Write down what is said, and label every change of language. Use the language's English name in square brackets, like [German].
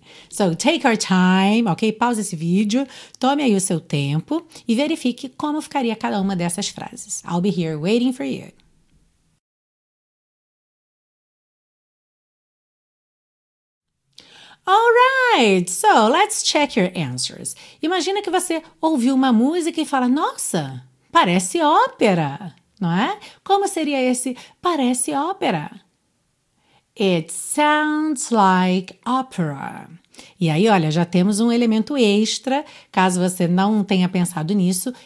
[English] So, take your time, ok? [Portuguese] Pause esse vídeo, tome aí o seu tempo e verifique como ficaria cada uma dessas frases. [English] I'll be here waiting for you. All right, so let's check your answers. [Portuguese] Imagina que você ouviu uma música e fala, nossa, parece ópera, não é? Como seria esse parece ópera? [English] It sounds like opera. [Portuguese] E aí, olha, já temos um elemento extra, caso você não tenha pensado nisso.